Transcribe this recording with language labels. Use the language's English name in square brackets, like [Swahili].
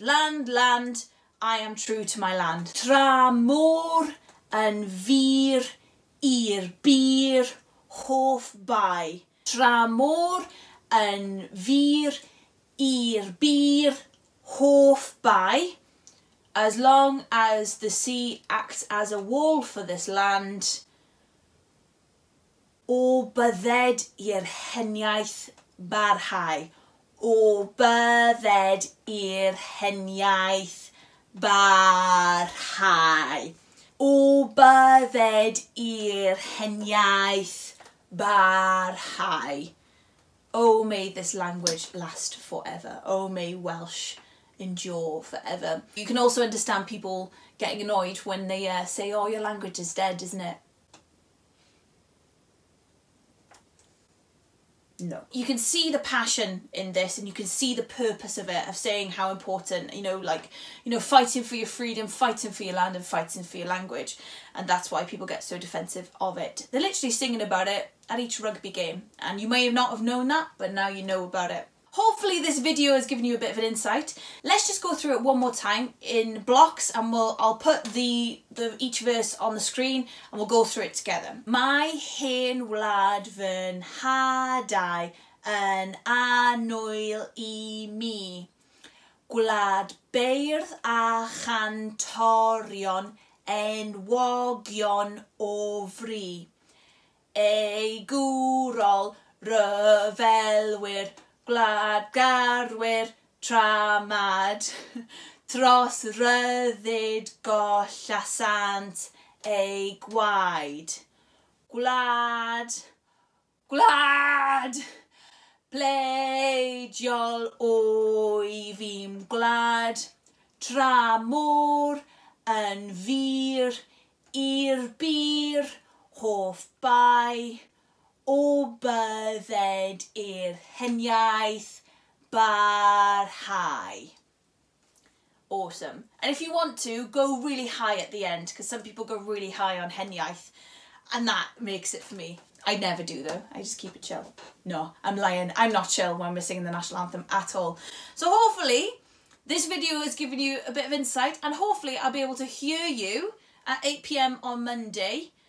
[English] Land, land, I am true to my land. [Welsh] Tra môr yn fyr i'r byr hoff bai. Tra môr yn fyr i'r byr hoff bai. [English] As long as the sea acts as a wall for this land, [Welsh] o bydded i'r heniaeth barhau. O bydded i'r heniaeth barhau. O bydded i'r heniaeth barhau. [English] Oh, may this language last forever. Oh, may Welsh endure forever. You can also understand people getting annoyed when they say, oh, your language is dead, isn't it? No. You can see the passion in this and you can see the purpose of it, of saying how important, you know, like, you know, fighting for your freedom, fighting for your land and fighting for your language. And that's why people get so defensive of it. They're literally singing about it at each rugby game. And you may not have known that, but now you know about it. Hopefully this video has given you a bit of an insight. Let's just go through it one more time in blocks, and I'll put the each verse on the screen and we'll go through it together. [Welsh] My hen wlad fy nhadau yn annwyl I mi. Gwlad beirdd a chantorion enwogion o fri. Ei gwrol ryfelwyr Gwlad garwyr tramad, dros ryddid goll a sant ei gwaed. Gwlad, gwlad, pleidiol oif i'm gwlad, tra môr yn fyr i'r byr hoff bai. O bydded i'r heniaeth barhau. [English] Awesome. And if you want to, go really high at the end, because some people go really high on heniaeth, and that makes it for me. I never do, though. I just keep it chill. No, I'm lying. I'm not chill when we're singing the national anthem at all. So hopefully, this video has given you a bit of insight, and hopefully I'll be able to hear you at 8 p.m. on Monday.